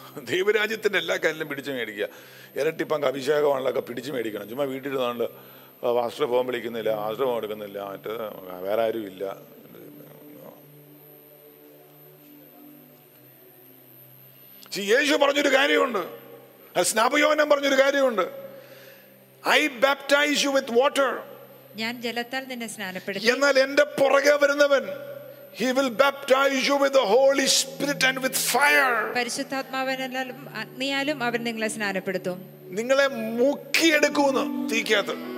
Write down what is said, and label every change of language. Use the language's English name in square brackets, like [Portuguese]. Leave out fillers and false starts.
[Malayalam] ദൈവരാജ്യത്തിന്റെ എല്ലാ കാര്യങ്ങളും പിടിച്ചു മേടിക്കുക. ഇരട്ടിപ്പങ്ക് അഭിഷേകമാണല്ലൊക്കെ പിടിച്ചു മേടിക്കണം. ചുമ്മാ വീട്ടിലിരുന്നാണ്ട് വാസ്ത്ര ഫോം വിളിക്കുന്നില്ല, ആശ്ര ഫോം എടുക്കുന്നില്ല, മറ്റ് വേറെ ആരും ഇല്ല. യേശു പറഞ്ഞൊരു കാര്യമുണ്ട്, സ്നാപയോനം പറഞ്ഞൊരു കാര്യമുണ്ട്. [English] I baptize you with water. [Malayalam] ഞാൻ ജലത്താൽ നിന്നെ സ്നാനപ്പെടുത്തി. എന്നാൽ എൻ്റെ പുറകെ വരുന്നവൻ, [English] he will baptize you with the Holy Spirit and with fire. [Malayalam] പരിശുദ്ധാത്മാവനാലും അഗ്നിയാലും അവൻ നിങ്ങളെ സ്നാനപ്പെടുത്തും. നിങ്ങളെ മുക്കിയെടുക്കുന്നു തീക്കകത്ത്.